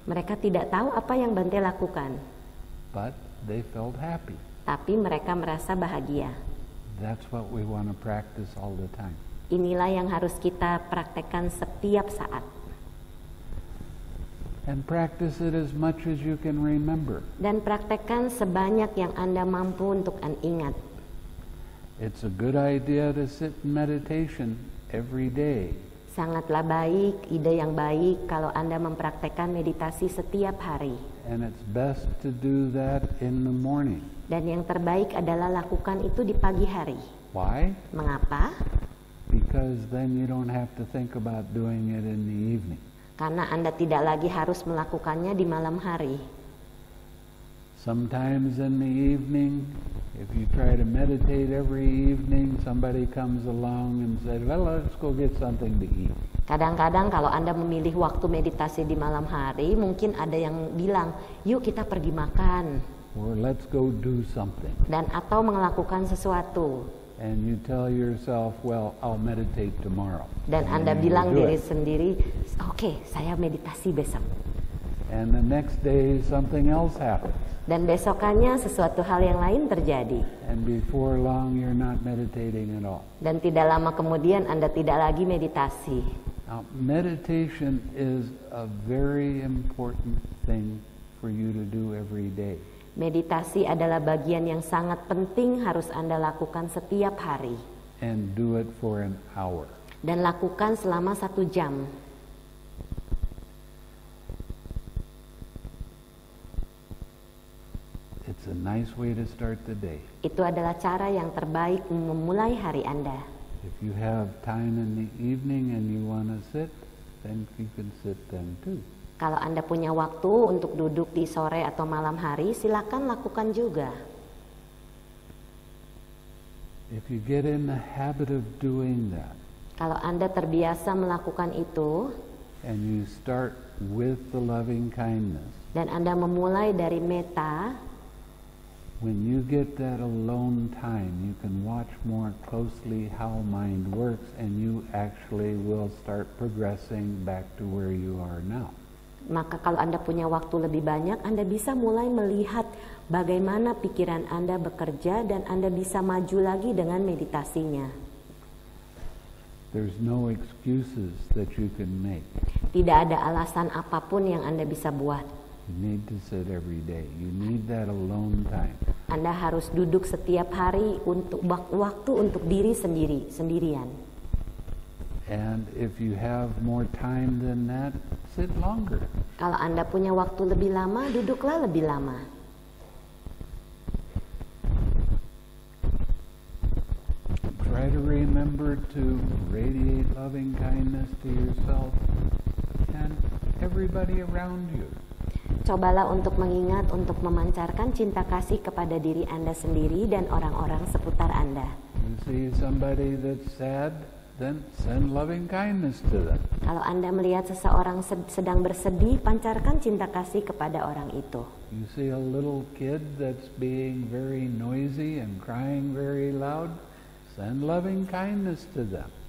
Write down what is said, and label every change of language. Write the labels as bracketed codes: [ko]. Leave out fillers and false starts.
[id] Mereka tidak tahu apa yang Bante lakukan. [en] But they felt happy. [id] Tapi mereka merasa bahagia. [en] That's what we want to practice all the time. [id] Inilah yang harus kita praktekkan setiap saat. [en] And practice it as much as you can remember. [id] Dan praktekkan sebanyak yang Anda mampu untuk ingat. [en] It's a good idea to sit in meditation every day. [id] Sangatlah baik, ide yang baik kalau Anda mempraktekkan meditasi setiap hari. [en] And it's best to do that in the morning. [id] Dan yang terbaik adalah lakukan itu di pagi hari. [en] Why? [id] Mengapa? [en] Because then you don't have to think about doing it in the evening. [id] Karena Anda tidak lagi harus melakukannya di malam hari. [en] Sometimes in the evening, if you try to meditate every evening, somebody comes along and says, "Well, let's go get something to eat." [id] Kadang-kadang kalau Anda memilih waktu meditasi di malam hari, mungkin ada yang bilang, "Yuk kita pergi makan." [en] Or let's go do something. [id] Dan atau melakukan sesuatu. [en] And you tell yourself, "Well, I'll meditate tomorrow." [id] Dan Anda bilang diri sendiri, "Okay, saya meditasi besok." [en] And the next day something else happens. [id] Dan besokannya sesuatu hal yang lain terjadi. [en] And before long you're not meditating at all. [id] Dan tidak lama kemudian Anda tidak lagi meditasi. [en] Now, meditation is a very important thing for you to do every day. [id] Meditasi adalah bagian yang sangat penting harus Anda lakukan setiap hari. [en] And do it for an hour. [id] Dan lakukan selama satu jam. [en] It's an nice way to start the day. [id] Itu adalah cara yang terbaik memulai hari Anda. [en] If you have time in the evening and you want to sit, then you can sit then too. [id] Kalau Anda punya waktu untuk duduk di sore atau malam hari, silakan lakukan juga. [en] If you get in the habit of doing that. [id] Kalau Anda terbiasa melakukan itu, [en] and you start with the loving kindness. [id] Dan Anda memulai dari metta. [en] When you get that alone time, you can watch more closely how mind works and you actually will start progressing back to where you are now. [id] Maka kalau Anda punya waktu lebih banyak, Anda bisa mulai melihat bagaimana pikiran Anda bekerja dan Anda bisa maju lagi dengan meditasinya. [en] There's no excuses that you can make. [id] Tidak ada alasan apapun yang Anda bisa buat. [en] You need to sit every day. You need that alone time. [id] Anda harus duduk setiap hari untuk waktu untuk diri sendiri, sendirian. [en] And if you have more time than that, sit longer. [id] Kalau Anda punya waktu lebih lama, duduklah lebih lama. [en] Try to remember to radiate loving kindness to yourself and everybody around you. [id] Cobalah untuk mengingat untuk memancarkan cinta kasih kepada diri Anda sendiri dan orang-orang seputar Anda. [en] You see somebody that's sad, then send loving kindness to them. [id] Kalau Anda melihat seseorang sedang bersedih, pancarkan cinta kasih kepada orang itu. [en] You see a little kid that's being very noisy and crying very loud, send loving kindness to them.